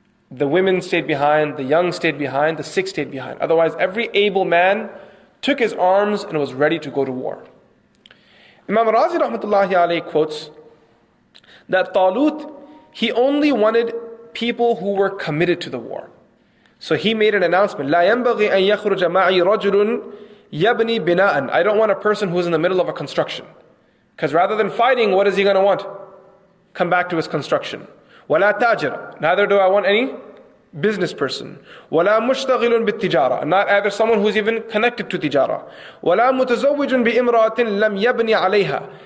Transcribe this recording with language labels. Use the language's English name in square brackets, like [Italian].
[English] The women stayed behind, the young stayed behind, the sick stayed behind. Otherwise, every able man took his arms and was ready to go to war. Imam Razi rahmatullahi alayhi quotes that Talut, he only wanted people who were committed to the war. So he made an announcement, [Arabic] لا ينبغي أن يخرج معي رجل يبني بناء. [English] I don't want a person who is in the middle of a construction. Because rather than fighting, what is he going to want? Come back to his construction. [Arabic] وَلَا تَاجِرَ. [English] Neither do I want any business person. [Arabic] وَلَا مُشْتَغِلٌ بِالتِّجَارَ. [English] Not either someone who is even connected to tijara. [Arabic] وَلَا مُتَزَوِّجٌ بِإِمْرَاتٍ لَمْ يَبْنِي عَلَيْهَا.